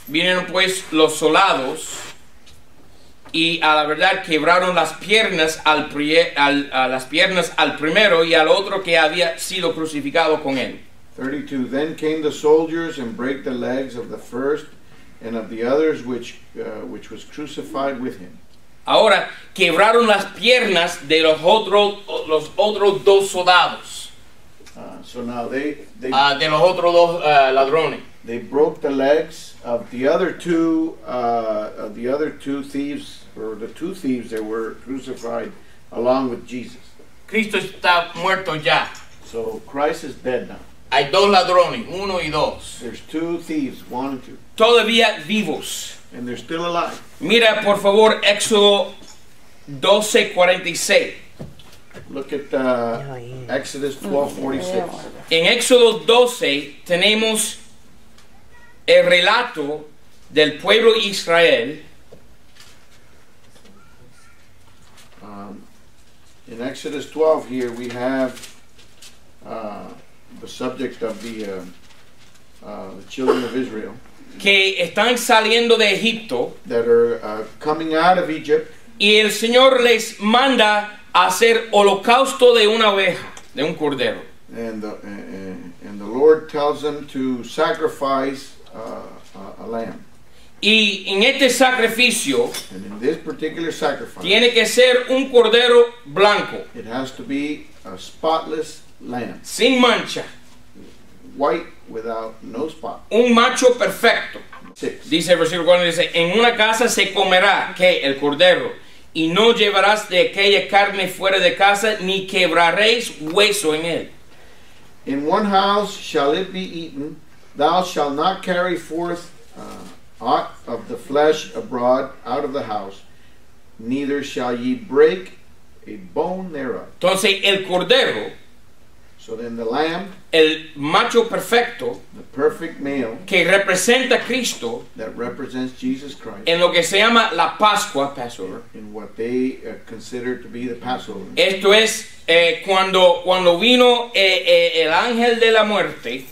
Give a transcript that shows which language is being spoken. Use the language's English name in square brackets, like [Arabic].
[Spanish] Vinieron pues los soldados y a la verdad quebraron las piernas al primero y al otro que había sido crucificado con él. 32. [English] Then came the soldiers and broke the legs of the first and of the others which was crucified with him. [Spanish] Ahora quebraron las piernas de los otros dos soldados. [English] So now they [Spanish] de los otros dos ladrones. [English] They broke the legs of the other two thieves, or the two thieves that were crucified along with Jesus. [Spanish] Cristo está muerto ya. [English] So Christ is dead now. [Spanish] Hay dos ladrones, uno y dos. [English] There's two thieves, one and two. [Spanish] Todavía vivos. [English] And they're still alive. [Spanish] Mira, por favor, Éxodo 12:46. [English] Look at Exodus 12:46. [Spanish] En Éxodo 12 tenemos el relato del pueblo Israel. [English] In Exodus 12 here we have the subject of the children of Israel. [Spanish] Que están saliendo de Egipto. [English] That are coming out of Egypt. [Spanish] Y el Señor les manda a hacer holocausto de una oveja, de un cordero. [English] And the Lord tells them to sacrifice a lamb. [Spanish] Y en este sacrificio. [English] And in this particular sacrifice. [Spanish] Tiene que ser un cordero blanco. [English] It has to be a spotless lamb. [Spanish] Sin mancha. [English] White without no spot. [Spanish] Un macho perfecto. [English] Six. [Spanish] Dice el versículo 4, dice, en una casa se comerá, ¿qué? El cordero. Y no llevarás de aquella carne fuera de casa, ni quebraréis hueso en él. [English] In one house shall it be eaten. Thou shalt not carry forth aught of the flesh abroad out of the house. Neither shall ye break a bone thereof. [Spanish] Entonces el cordero. [English] So then the lamb, [Spanish] el macho perfecto, [English] the perfect male, [Spanish] que representa a Cristo, [English] that represents Jesus Christ, [Spanish] en lo que se llama la Pascua, Passover, [English] in what they consider to be the Passover. [Spanish] Esto es cuando vino el ángel de la muerte.